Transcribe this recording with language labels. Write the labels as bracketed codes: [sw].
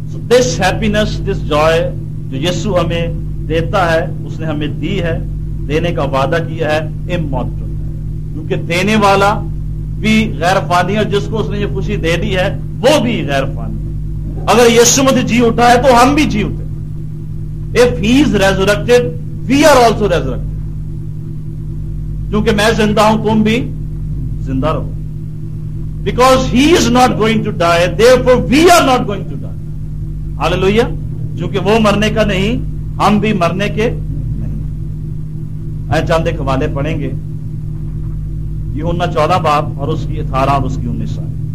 [en] this happiness, this joy [ur] جو یسوع ہمیں دیتا ہے, اس نے ہمیں دی ہے, دینے کا وعدہ کیا ہے, امورٹل, کیونکہ دینے والا بھی غیر فانی ہے, جس کو اس نے یہ خوشی دے دی ہے وہ بھی غیر فانی ہے. اگر یسوع مسیح جی اٹھا ہے تو ہم بھی جی اٹھے. [en] If he is resurrected, we are also resurrected. [ur] کیونکہ میں زندہ ہوں, تم بھی زندہ رہو. [en] Because he is not going to die, therefore we are not going to die. Hallelujah. [ur] کیونکہ وہ مرنے کا نہیں, ہم بھی مرنے کے. چند ایک حوالے پڑھیں گے. یوحنا 14 باب اور اس کی 18 اور اس کی 19 آئے.